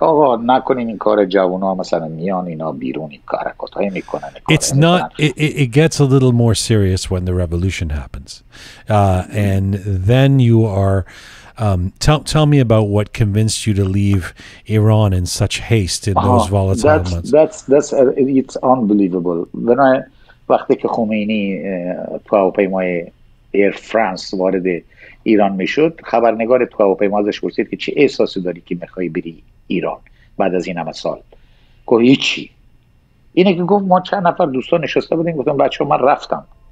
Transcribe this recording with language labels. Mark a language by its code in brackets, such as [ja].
[fa] که آقا نکنین این کار جوان ها مثلا میان اینا بیرون این کار کتا هی میکنن [en] It's not, it gets a little more serious when the revolution happens. And then you are, tell me about what convinced you to leave Iran in such haste in those volatile months. It's unbelievable. When I, [fa] وقتی که خمینی تو هواپیمای ایر فرانس وارد ایران میشد خبرنگار تو هواپیما ازش پرسید که چه احساسی داری که میخوای بری ایران بعد از این همه سال گفت هیچی اینه که گفت ما چند نفر دوستان نشسته بودیم گفتم بچه ها من رفتم